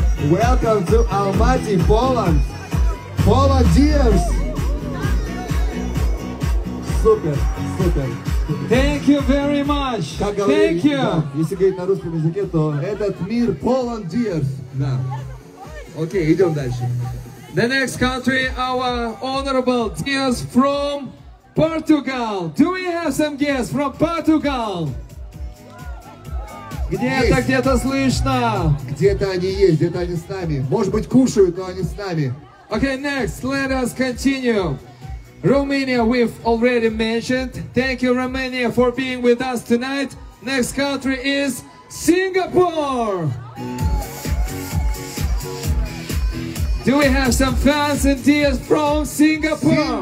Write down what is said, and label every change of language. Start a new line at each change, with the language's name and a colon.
English: Welcome to Almaty, Poland. Poland, dears.
Russian: Супер, супер.
English: Thank you very much.
Russian: Как говорили,
English: thank you.
Russian: Да, если говорить на русском языке, то этот мир Poland, dears. Да. Окей, okay, идем дальше.
English: The next country, our honorable guests from Portugal. Do we have some guests from Portugal?
Russian: Где-то, есть. Где-то слышно. Где-то они есть, где-то они с нами. Может быть, кушают, но они с нами.
English: Okay, next, let us continue. Romania, we've already mentioned. Thank you, Romania, for being with us tonight. Next country is Singapore. Do we have some fans and dears from Singapore?